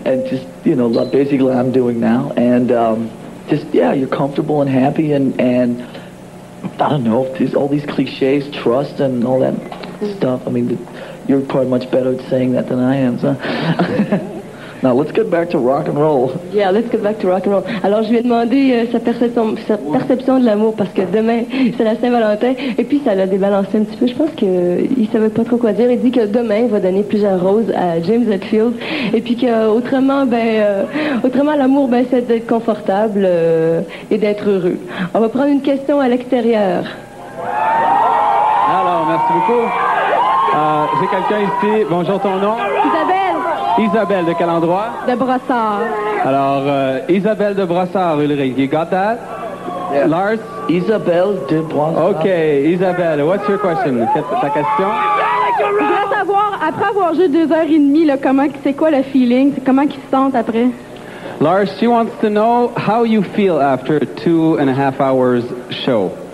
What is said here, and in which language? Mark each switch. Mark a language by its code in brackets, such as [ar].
[en] And just, you know, love, basically what I'm doing now. And just, yeah, you're comfortable and happy and I don't know, all these cliches, trust and all that stuff. I mean, you're probably much better at saying that than I am, so. Now let's get back to rock and roll. Yeah, let's get back to rock and roll. [fr] Alors je lui ai demandé sa perception de l'amour parce que demain c'est la Saint-Valentin et puis ça l'a débalancé un petit peu. Je pense que il savait pas trop quoi dire. Il dit que demain il va donner plusieurs roses à James Hetfield et puis que autrement l'amour ben c'est d'être confortable et d'être heureux. On va prendre une question à l'extérieur. Alors merci beaucoup. J'ai quelqu'un ici. Bonjour, ton nom? Isabelle, de quel endroit? De Brossard. Alors, [en] Isabelle de Brossard, Ulrich, you got that? Yeah. Lars? Isabelle de Brossard. OK, Isabelle, what's your question? [fr] Ta question? Je voudrais savoir, après avoir joué 2h30, là, c'est quoi le feeling? Comment ils se sentent après? [en] Lars, she wants to know how you feel after 2.5 hours show.